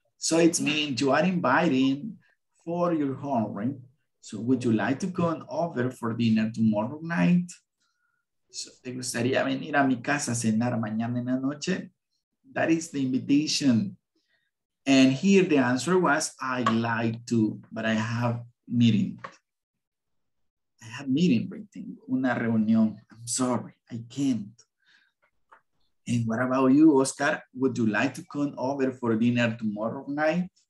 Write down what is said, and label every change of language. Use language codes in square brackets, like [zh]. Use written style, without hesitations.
[en] So it's mean you are inviting for your home, right? So would you like to come over for dinner tomorrow night? [es] So, ¿te gustaría venir a mi casa a cenar mañana en la noche? [en] That is the invitation. And here the answer was, I'd like to, but I have meeting. I have meeting, breaking, [es] una reunión. [en] I'm sorry, I can't. And what about you, Oscar? Would you like to come over for dinner tomorrow night?